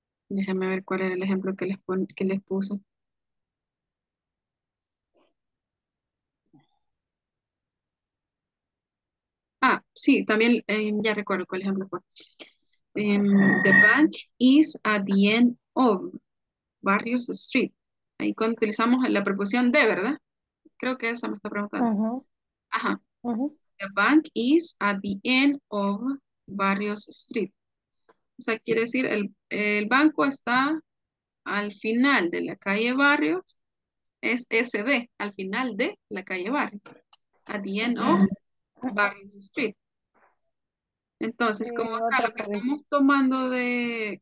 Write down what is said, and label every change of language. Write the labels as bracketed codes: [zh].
[es] Déjame ver cuál era el ejemplo que les pon, que les puse. Ah, sí, también ya recuerdo cuál ejemplo fue. [en] The bank is at the end of Barrios Street. [es] Ahí cuando utilizamos la preposición de, ¿verdad? Creo que esa me está preguntando. Ajá. [en] The bank is at the end of Barrios Street. [es] O sea, quiere decir, el banco está al final de la calle Barrio. Es SD, al final de la calle Barrio. [en] At the end of Barrio Street. [es] Entonces, como acá lo que estamos tomando de...